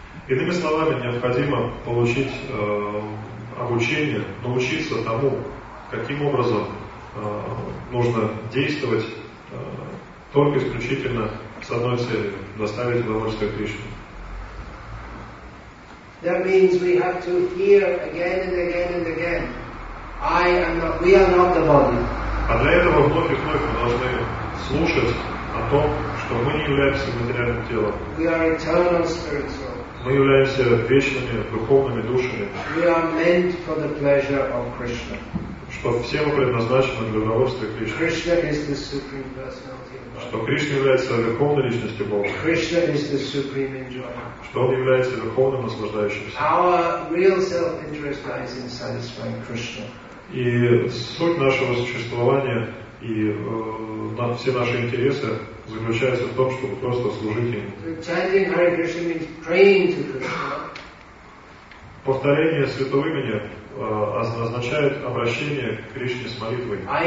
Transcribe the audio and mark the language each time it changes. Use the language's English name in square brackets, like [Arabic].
[Russian] Иными словами, необходимо получить обучение, научиться тому, каким образом нужно действовать только исключительно с одной целью — доставить удовольствие Кришне. [English] That means we have to hear again and again and again. I am not, we are not the body. [Russian] А для этого вновь и вновь мы должны слушать о том, что мы не являемся материальным телом. [English] We are eternal spirit soul. [Russian] Мы являемся вечными духовными душами. [English] We are meant for the pleasure of Krishna. [Russian] Что все мы предназначены для удовольствия Кришны. [English] Krishna is the supreme personality of God. [Russian] Что Кришна является верховной личностью Бога. [English] Krishna is the supreme enjoyer. [Russian] Что Он является верховным наслаждающимся. [English] Our real self-interest lies in satisfying Krishna. [Russian] И суть нашего существования и все наши интересы заключаются в том, чтобы просто служить Ему. [English] Chanting Hare Krishna means praying to Krishna. [Russian] Повторение святого имени означает обращение к Кришне с молитвой.